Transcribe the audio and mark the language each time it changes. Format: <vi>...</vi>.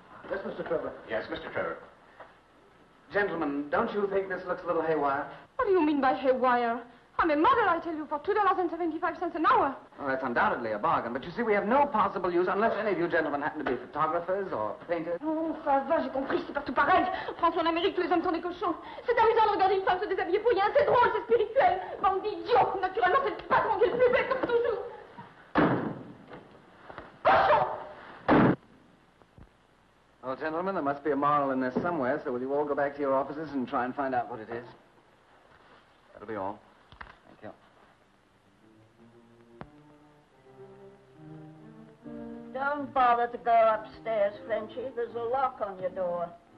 <en>Yes, Mr. Trevor. Yes, Mr. Trevor. Gentlemen, don't you think this looks a little haywire? What do you mean by haywire? I'm a model, I tell you, for $2.75 an hour. Well, that's undoubtedly a bargain. But you see, we have no possible use unless any of you gentlemen happen to be photographers or painters.</en> <fr>Oh, ça va, j'ai compris, c'est partout pareil. France, en Amérique, tous les hommes sont des cochons. C'est amusant de regarder une femme se déshabiller pour rien. C'est drôle, c'est spirituel. Bande d'idiots. Naturellement, c'est le patron qui est le plus bête, comme toujours. Cochon!</fr> <en>Well, gentlemen, there must be a moral in this somewhere, so will you all go back to your offices and try and find out what it is? That'll be all. Thank you. Don't bother to go upstairs, Frenchie. There's a lock on your door.</en>